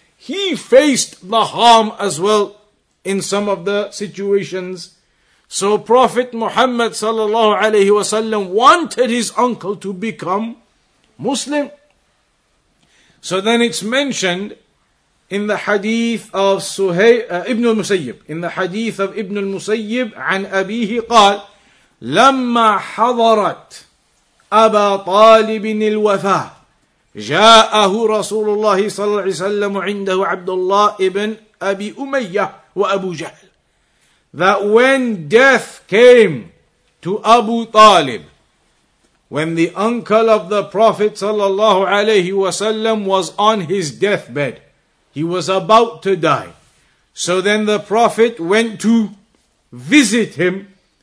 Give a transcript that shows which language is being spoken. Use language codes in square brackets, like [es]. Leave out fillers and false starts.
[en] He faced the harm as well in some of the situations. So Prophet Muhammad sallallahu alayhi wa sallam wanted his uncle to become Muslim. So then it's mentioned in the hadith of Ibn al-Musayyib. In the hadith of Ibn al-Musayyib, [ar] عن أبيه قال, لما حضرت أبا طالب الوفاة جاءه رسول الله صلى الله عليه وسلم عنده عبد الله ابن أبي أمية وأبو جهل. [en] That when death came to Abu Talib, when the uncle of the Prophet sallallahu alayhi wasallam was on his deathbed, he was about to die. So then the Prophet went to visit him.